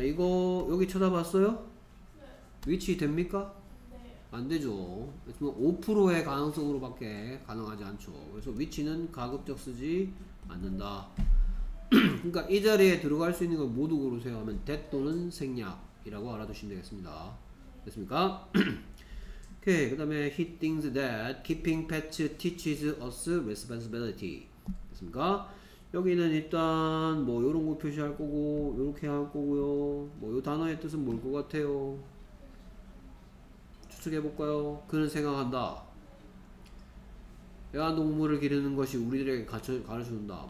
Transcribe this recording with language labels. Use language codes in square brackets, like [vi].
[ko] 이거 여기 쳐다봤어요? 위치 됩니까? 안 되죠. 5%의 가능성으로 밖에 가능하지 않죠. 그래서 위치는 가급적 쓰지 않는다. 그러니까 이 자리에 들어갈 수 있는 걸 모두 고르세요 하면 that 또는 생략이라고 알아두시면 되겠습니다. 됐습니까? 오케이. [en] 그 다음에 he thinks that keeping pets teaches us responsibility. [ko] 됐습니까? 여기는 일단 뭐 이런 거 표시할 거고 이렇게 할 거고요. 뭐 이 단어의 뜻은 뭘 것 같아요? 추측해볼까요? 그는 생각한다. 애완동물을 기르는 것이 우리들에게 가르쳐준다.